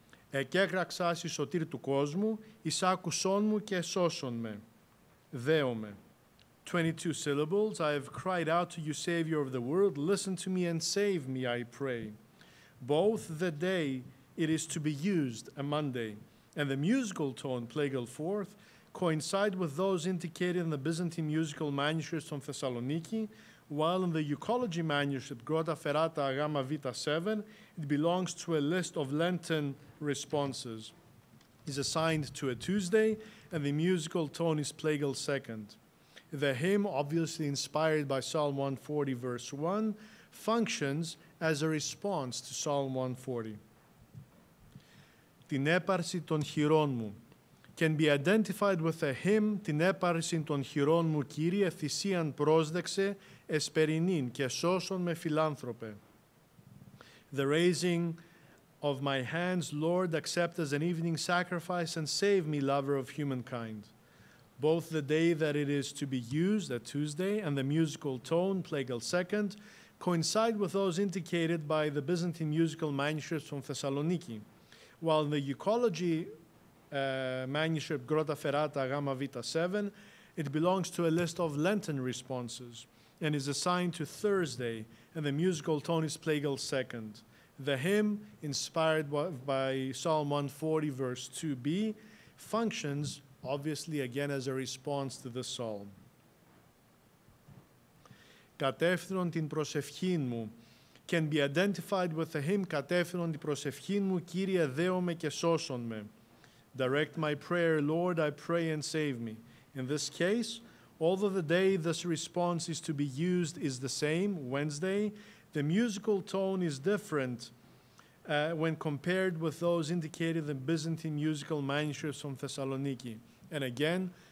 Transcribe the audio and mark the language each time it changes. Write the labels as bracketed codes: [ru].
[el] Εκέκραξάσι σωτήρ του κόσμου, εις άκουσόν μου και σώσον με. Δέομε. [en] 22 syllables, I have cried out to you, Savior of the world, listen to me and save me, I pray. Both the day it is to be used, a Monday, and the musical tone, plagal fourth, coincide with those indicated in the Byzantine musical manuscripts from Thessaloniki, while in the eucology manuscript, Grota Ferrata Agama Vita 7, it belongs to a list of Lenten responses. It is assigned to a Tuesday, and the musical tone is plagal second. The hymn, obviously inspired by Psalm 140, verse 1, functions as a response to Psalm 140. [el] Την έπαρση των χειρών μου [en] can be identified with a hymn, [el] Την έπαρση των χειρών μου, Κύριε, θυσίαν πρόσδεξε, εσπερινήν, και σώσον με φιλάνθρωπε. [en] The raising of my hands, Lord, accept as an evening sacrifice and save me, lover of humankind. Both the day that it is to be used, a Tuesday, and the musical tone, plagal second, coincide with those indicated by the Byzantine musical manuscripts from Thessaloniki, while in the eucology manuscript, Grota Ferrata Gamma Vita 7, it belongs to a list of Lenten responses and is assigned to Thursday, and the musical tone is plagal second. The hymn, inspired by Psalm 140, verse 2b, functions obviously, again, as a response to the psalm. [el] Κατεύθυνον την προσευχήν μου [en] can be identified with the hymn [el] Κατεύθυνον την προσευχήν μου, Κύριε, δέομαι και σώσον με. [en] Direct my prayer, Lord, I pray and save me. In this case, although the day this response is to be used is the same, Wednesday, the musical tone is different when compared with those indicated in Byzantine musical manuscripts from Thessaloniki. And again,